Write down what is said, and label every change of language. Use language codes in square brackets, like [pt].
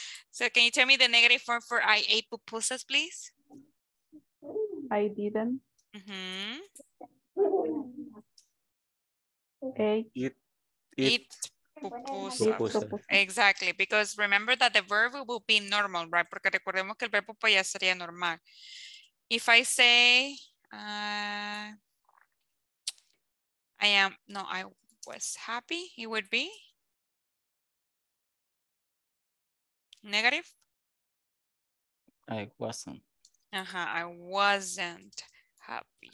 [en] So can you tell me the negative form for I ate pupusas, please? I didn't. Mm-hmm. Eat pupusas. Exactly, because remember that the verb will be normal, right? [es] Porque recordemos que el verbo pues ya sería normal. [en] If I say, I was happy, it would be negative. I wasn't. Uh-huh. I wasn't happy.